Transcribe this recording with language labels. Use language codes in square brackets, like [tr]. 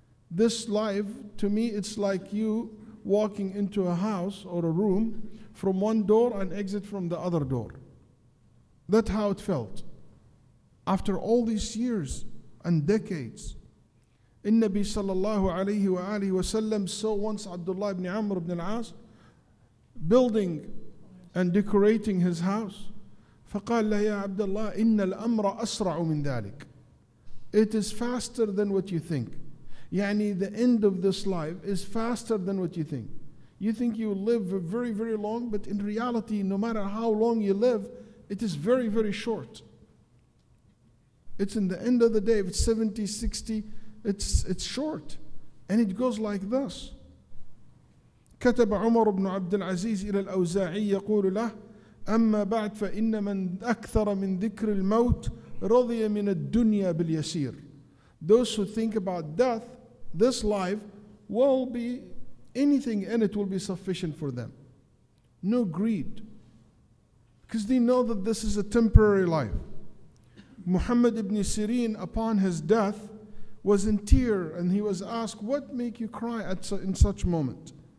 [en] This life, to me, it's like you walking into a house or a room from one door and exit from the other door. That's how it felt. After all these years and decades, [ar] النبي صلى الله عليه وآله وسلم [en] saw once Abdullah ibn Amr ibn al-As building and decorating his house. [ar] فقال له يا عبد الله إن الأمر أسرع من ذلك. [en] It is faster than what you think. يعني the end of this life is faster than what you think. You think you live very, very long, but in reality, no matter how long you live, it is very, very short. It's in the end of the day, if it's 70, 60, it's short. And it goes like this. [ar] كتب عمر بن عبد العزيز إلى الأوزاعي يقول له أما بعد فإن من أكثر من ذكر الموت رضي من الدنيا باليسير. [en] Those who think about death, this life will be, anything in it will be sufficient for them. No greed. Because they know that this is a temporary life. Muhammad ibn Sirin, upon his death, was in tear and he was asked, what make you cry in such moment?